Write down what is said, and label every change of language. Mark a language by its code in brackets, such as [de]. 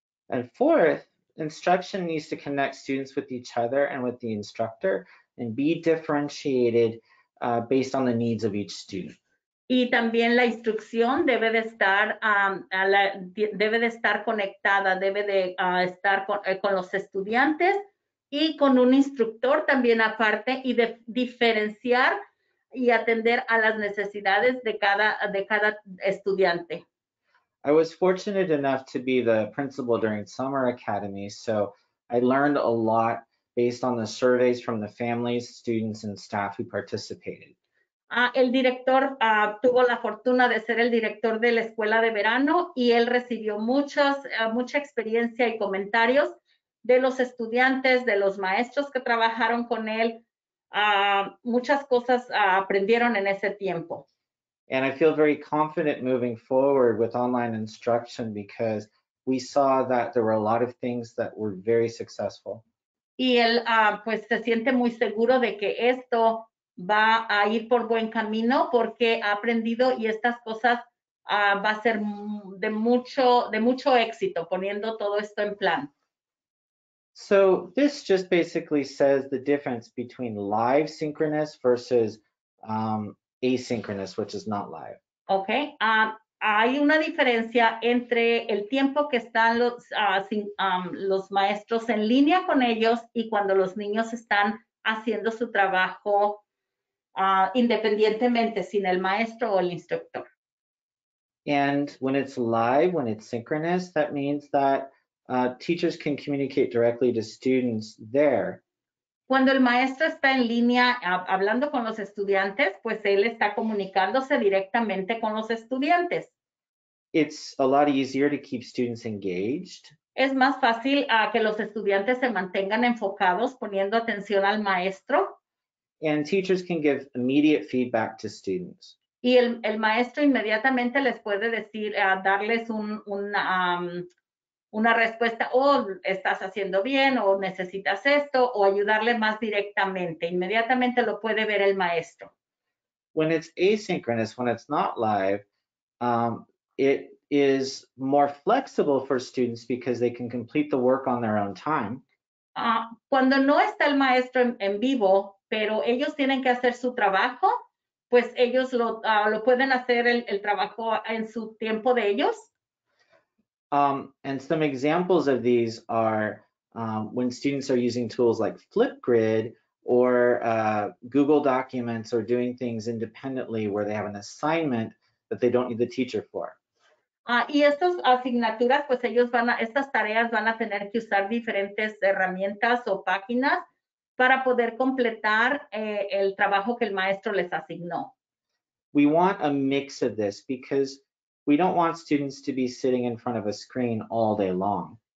[en] And fourth, instruction needs to connect students with each other and with the instructor and be differentiated based on the needs of each student. [es] Y también la instrucción debe de estar debe de estar conectada, debe de estar con los estudiantes y con un instructor también aparte y de diferenciar y atender a las necesidades de cada estudiante. [en] I was fortunate enough to be the principal during Summer Academy, so I learned a lot based on the surveys from the families, students, and staff who participated. [es] El director tuvo la fortuna de ser el director de la escuela de verano y él recibió mucha experiencia y comentarios de los estudiantes, de los maestros que trabajaron con él. Muchas cosas aprendieron en ese tiempo. [en] And I feel very confident moving forward with online instruction because we saw that there were a lot of things that were very successful. [es] Y él pues se siente muy seguro de que esto va a ir por buen camino porque ha aprendido y estas cosas va a ser de mucho éxito poniendo todo esto en plan. [en] So this just basically says the difference between live synchronous versus asynchronous, which is not live. [es] Okay, hay una diferencia entre el tiempo que están los maestros en línea con ellos y cuando los niños están haciendo su trabajo independientemente, sin el maestro o el instructor. [en] And when it's live, when it's synchronous, that means that teachers can communicate directly to students there. [es] Cuando el maestro está en línea hablando con los estudiantes, pues él está comunicándose directamente con los estudiantes. [en] It's a lot easier to keep students engaged. [es] Es más fácil que los estudiantes se mantengan enfocados poniendo atención al maestro. [en] And teachers can give immediate feedback to students. [es] Y el maestro inmediatamente les puede decir, darles una respuesta, o estás haciendo bien, o necesitas esto, o ayudarle más directamente. Inmediatamente lo puede ver el maestro. [en] When it's asynchronous, when it's not live, it is more flexible for students because they can complete the work on their own time. [es] Cuando no está el maestro en vivo, pero ellos tienen que hacer su trabajo, pues ellos lo pueden hacer el trabajo en su tiempo de ellos. [en] And some examples of these are when students are using tools like Flipgrid or Google Documents or doing things independently where they have an assignment that they don't need the teacher for. [es] Y estas asignaturas, pues ellos estas tareas van a tener que usar diferentes herramientas o páginas para poder completar el trabajo que el maestro les asignó. [en] We want a mix of this because we don't want students to be sitting in front of a screen all day long.